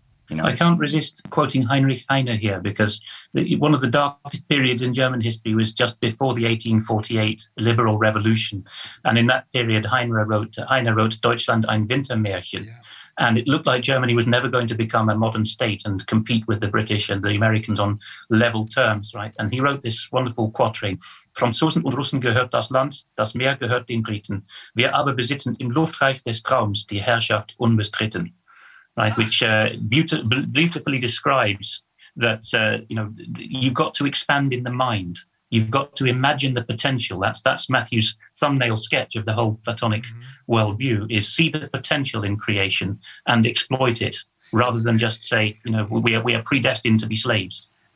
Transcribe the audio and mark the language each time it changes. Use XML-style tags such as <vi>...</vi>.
<en>You know, I can't resist quoting Heinrich Heine here, because one of the darkest periods in German history was just before the 1848 liberal revolution. And in that period, Heine wrote Deutschland ein Wintermärchen. Yeah. And it looked like Germany was never going to become a modern state and compete with the British and the Americans on level terms, right? And he wrote this wonderful quatrain:</en> <de>Franzosen und Russen gehört das Land, das Meer gehört den Briten. Wir aber besitzen im Luftreich des Traums die Herrschaft unbestritten.</de> <en>Right, which beautifully describes that, you know, you've got to expand in the mind. You've got to imagine the potential. That's Matthew's thumbnail sketch of the whole Platonic worldview, is see the potential in creation and exploit it, rather than just say, you know, we are predestined to be slaves.</en>